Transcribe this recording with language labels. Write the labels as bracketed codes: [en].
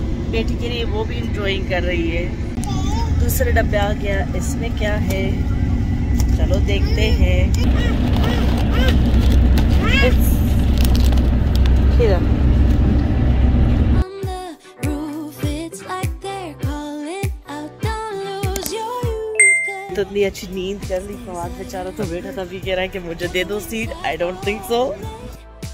[ur] بیٹی کے لیے وہ بھی enjoying کر رہی ہے. دوسرے ڈبے آ گیا. اس میں کیا ہے? چلو دیکھتے ہیں. [en] On the roof, it's like they're calling out. Don't lose your youth. [ur] اتنی اچھی نیند کر لی. فواد بیچارہ تو بیٹھا تھا, ابھی کہہ رہا ہے کہ مجھے دے دو set. [en] I don't think so.